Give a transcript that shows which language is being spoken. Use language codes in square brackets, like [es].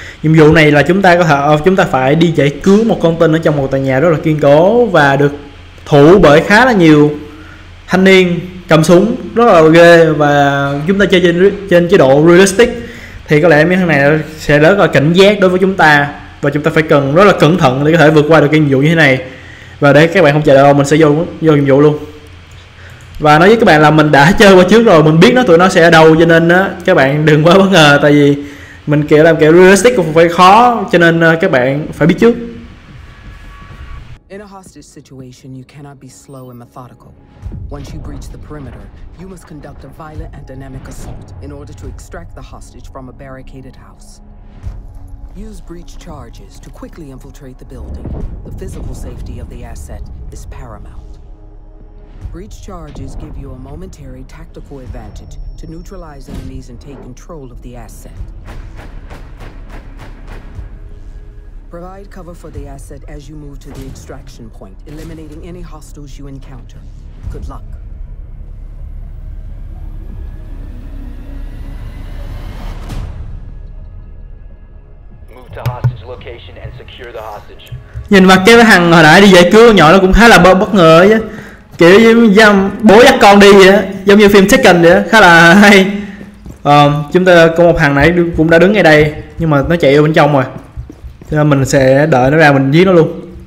[vi] Nhiệm vụ này là chúng ta có thể chúng ta phải đi giải cứu một con tin ở trong một tòa nhà rất là kiên cố và được thủ bởi khá là nhiều thanh niên cầm súng rất là ghê, và chúng ta chơi trên chế độ realistic thì có lẽ mấy thằng này sẽ rất là cảnh giác đối với chúng ta, và chúng ta phải cần rất là cẩn thận để có thể vượt qua được cái nhiệm vụ như thế này. Và để các bạn không chờ đâu, mình sẽ vô nhiệm vụ luôn. Và nói với các bạn là mình đã chơi qua trước rồi, mình biết nó tụi nó sẽ ở đâu, cho nên á các bạn đừng quá bất ngờ, tại vì mình kiểu làm kiểu realistic cũng phải khó, cho nên các bạn phải biết trước. [en] In a hostage situation, you cannot be slow and methodical. Once you breach the perimeter, you must conduct a violent and dynamic assault in order to extract the hostage from a barricaded house. Use breach charges to quickly infiltrate the building. The physical safety of the asset is paramount. Breach charges give you a momentary tactical advantage to neutralize enemies and take control of the asset. Provide cover for the asset as you move to the extraction point, eliminating any hostiles you encounter. Good luck. Move to hostage location and secure the hostage. [vi] Nhìn mặt cái thằng hồi nãy đi giải cứu con nhỏ nó cũng khá là bất ngờ chứ. Kiểu như bố dắt con đi vậy á, giống như phim Taken vậy á, khá là hay. Chúng ta có một thằng nãy cũng đã đứng ngay đây, nhưng mà nó chạy vô bên trong rồi, cho nên mình sẽ đợi nó ra mình giết nó luôn.